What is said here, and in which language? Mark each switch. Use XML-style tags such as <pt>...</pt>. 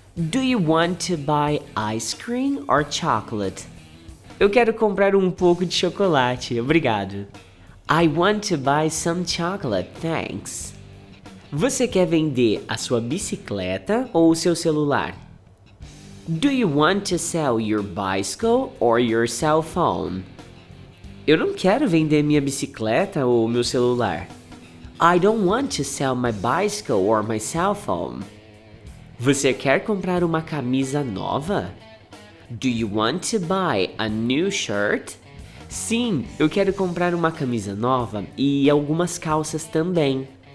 <en>Do you want to buy ice cream or chocolate?</en> <pt>Eu quero comprar um pouco de chocolate, obrigado.</pt> <en>I want to buy some chocolate, thanks.</en> <pt>Você quer vender a sua bicicleta ou o seu celular?</pt> <en>Do you want to sell your bicycle or your cell phone?</en> <pt>Eu não quero vender minha bicicleta ou meu celular.</pt> <en>I don't want to sell my bicycle or my cell phone.</en> <pt>Você quer comprar uma camisa nova?</pt> <en>Do you want to buy a new shirt?</en> <pt>Sim, eu quero comprar uma camisa nova e algumas calças também.</pt>